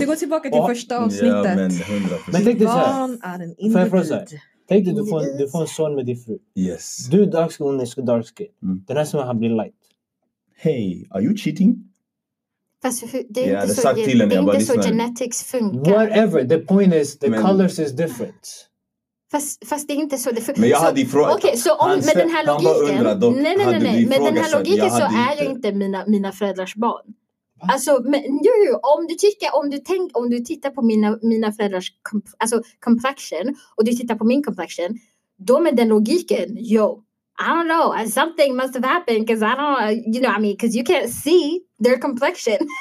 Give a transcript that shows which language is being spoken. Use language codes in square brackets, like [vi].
[sv] Det går tillbaka till första avsnittet. Ja, men tänk dig så här. Barn är en individ. För så här. Tänk dig, du får en son med din fru. [en] Yes. [sv] Du är dark skin, hon är så dark skin. Den här som han blir light. [en] Hey, are you cheating? [sv] Det är inte så genetics funkar. [en] Whatever, the point is, the colors is different. [sv] Fast det är inte så. Men jag hade ifrågat. Okej, så om, med den här logiken. Dock, nej. Med den här logiken så är jag inte mina föräldrars barn. Alltså, men ju, om du tittar på mina föräldrars complexion och du tittar på min complexion, då med den logiken, [en] yo, I don't know, something must have happened because I don't, you know, I mean, because you can't see their complexion.